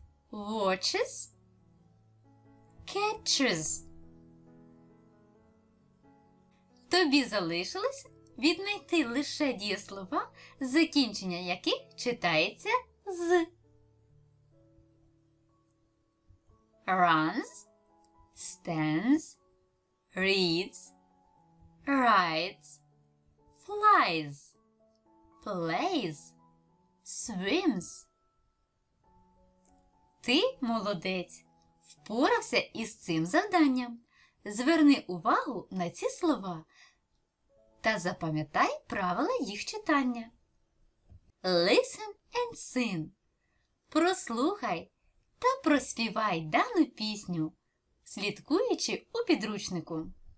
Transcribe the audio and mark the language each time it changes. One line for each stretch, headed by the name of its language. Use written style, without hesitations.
English: Watches, catches.
Ukrainian: Тобі залишилось віднайти лише дієслова, закінчення яких читається з.
English: Runs, stands, reads, rides, flies, plays, swims.
Ukrainian: Ти молодець, впорався із цим завданням. Зверни увагу на ці слова та запам'ятай правила їх читання.
English: Listen and sing.
Ukrainian: Прослухай та проспівай дану пісню, слідкуючи у підручнику.